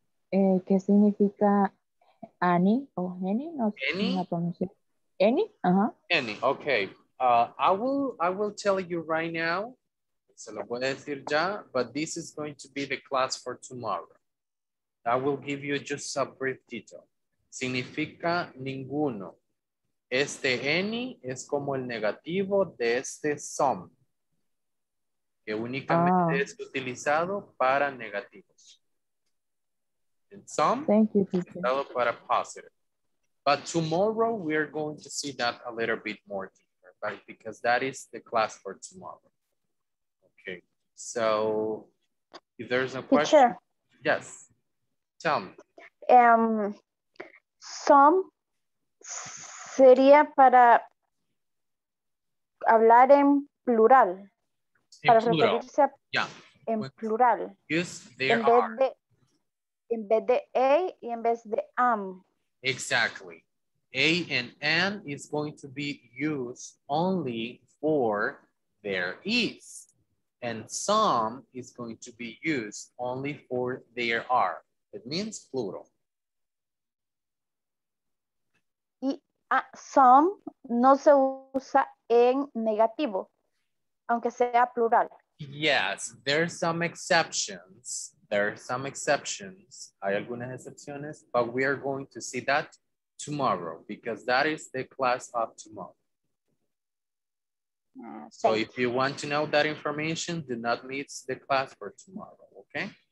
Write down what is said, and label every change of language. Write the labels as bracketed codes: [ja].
[es] ¿Qué significa any o any? No, any? Any? Uh-huh. [en] Any, okay. I will tell you right now, [es] se lo voy a decir ya, [en] but this is going to be the class for tomorrow. I will give you just a brief detail. [es] Significa ninguno. Este any es como el negativo de este some, que únicamente es utilizado para negativos. [en] And some, thank you, [es] es utilizado para positive. [en] But tomorrow we are going to see that a little bit more deeper, right? Because that is the class for tomorrow. Okay, so if there's no question, yes, tell me. [es] Some sería para hablar en plural. En plural. [en] Use there are. [es] En vez de a y en vez de am. [en] Exactly. A and an is going to be used only for there is. And some is going to be used only for there are. It means plural. [es] Some no se usa en negativo, aunque sea plural. [en] Yes, there are some exceptions. There are some exceptions. [es] Hay algunas excepciones, [en] but we are going to see that tomorrow because that is the class of tomorrow. So if you want to know that information, do not miss the class for tomorrow, okay?